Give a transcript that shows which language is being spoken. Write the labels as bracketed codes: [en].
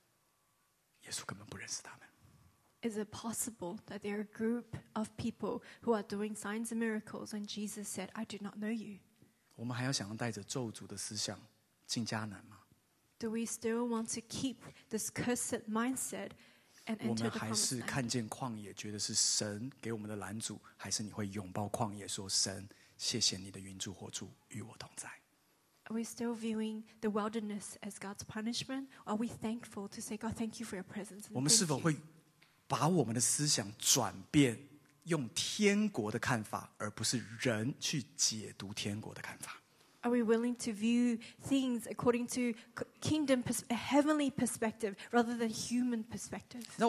[zh] 会不会有一群连做神迹奇事人都没有的人，耶稣根本不认识他们？ [en] Is it possible that there are a group of people who are doing signs and miracles when Jesus said, I do not know you? [zh] 我们还要想要带着咒诅的思想进迦南吗？ [en] Do we still want to keep this cursed mindset and enter the promised land? [zh] 我们还是看见旷野，觉得是神给我们的拦阻，还是你会拥抱旷野，说神，谢谢你的云柱火柱与我同在？ [en] Are we still viewing the wilderness as God's punishment? Or are we thankful to say, God, thank you for your presence? [zh] 我们是否会 把我们的思想转变，用天国的看法，而不是人去解读天国的看法。 [en] Are we willing to view things according to kingdom, heavenly perspective, rather than human perspective?